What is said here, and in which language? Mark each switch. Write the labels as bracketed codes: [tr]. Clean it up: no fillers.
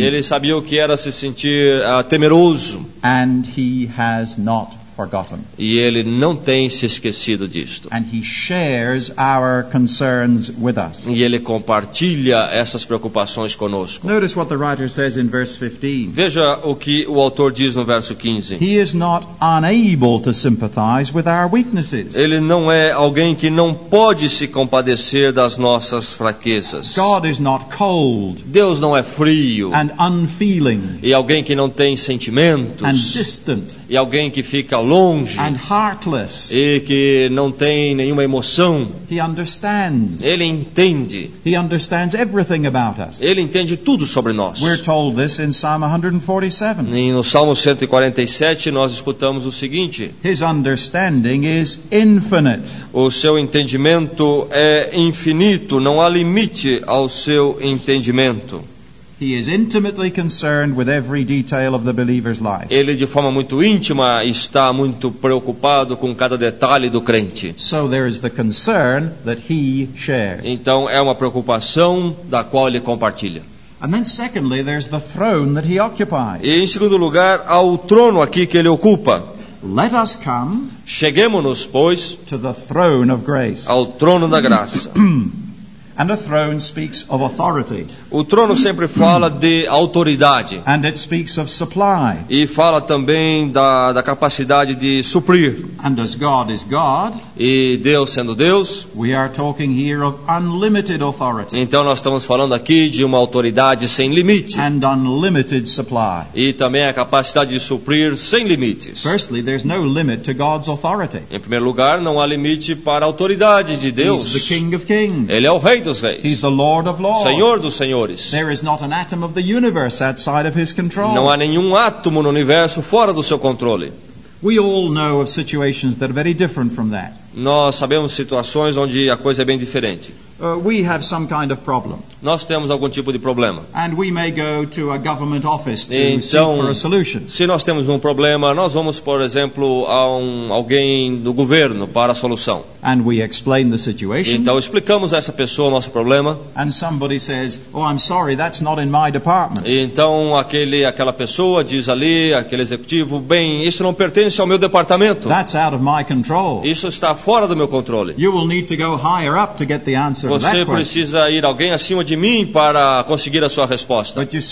[pt] Ele sabia o que era se sentir temeroso. [en] And he has not forgotten. [pt] E ele não tem se esquecido disto. [en] And he shares our concerns with us. [pt] E ele compartilha essas preocupações conosco. [en] Notice what the writer says in verse 15. [pt] Veja o que o autor diz no verso 15. [en] He is not unable to sympathize with our weaknesses. [pt] Ele não é alguém que não pode se compadecer das nossas fraquezas. [en] God is not cold. [pt] Deus não é frio. [en] And unfeeling. [pt] E alguém que não tem sentimentos. [en] And distant. [pt] E alguém que fica longe. [en] And heartless. [pt] E que não tem nenhuma emoção. [en] He understands. [pt] Ele entende. [en] He understands everything about us. [pt] Ele entende tudo sobre nós. [en] We're told this in Psalm 147. [pt] E no Salmo 147 nós escutamos o seguinte. [en] His understanding is infinite. [pt] O seu entendimento é infinito, não há limite ao seu entendimento. [en] He is intimately concerned with every detail of the believer's life. [pt] Ele de forma muito íntima está muito preocupado com cada detalhe do crente. [en] So there is the concern that he shares. [pt] Então é uma preocupação da qual ele compartilha. [en] And then secondly, there's the throne that he occupies. [pt] E em segundo lugar, há o trono aqui que ele ocupa. [en] Let us come. [pt] Cheguemo-nos, pois, [en] to the throne of grace. [pt] Ao trono da graça. [en] And a throne speaks of authority. [pt] O trono sempre fala de autoridade. [en] And it speaks of supply. [pt] E fala também da capacidade de suprir. [en] And as God is God, [pt] e Deus sendo Deus, [en] we are talking here of unlimited authority. [pt] Então nós estamos falando aqui de uma autoridade sem limite. [en] And unlimited supply. [pt] E também a capacidade de suprir sem limites. [en] Firstly, there's no limit to God's authority. [pt] Em primeiro lugar, não há limite para a autoridade de Deus. [en] He's the King of Kings. [pt] Ele é o Rei dos Reis. [en] He's the Lord of Lords. [pt] Senhor dos Senhores. [en] There is not an atom of the universe outside of his control. [pt] Não há nenhum átomo no universo fora do seu controle. [en] We all know of situations that are very different from that. [pt] Nós sabemos situações onde a coisa é bem diferente. [en] We have some kind of problem. [pt] Nós temos algum tipo de problema. [en] And we may go to a government office to [pt] então, [en] seek for a solution. [pt] Se nós temos um problema, nós vamos, por exemplo, a alguém do governo para a solução. [en] And we explain the situation. [pt] Então explicamos a essa pessoa o nosso problema. [en] And somebody says, "Oh, I'm sorry, that's not in my department." [pt] Então aquela pessoa diz ali, aquele executivo, "Bem, isso não pertence ao meu departamento." [en] That's out of my control. [pt] Isso está fora do meu controle. [en] You will need to go higher up to get the answer. [pt] Você precisa ir alguém acima de mim para conseguir a sua resposta.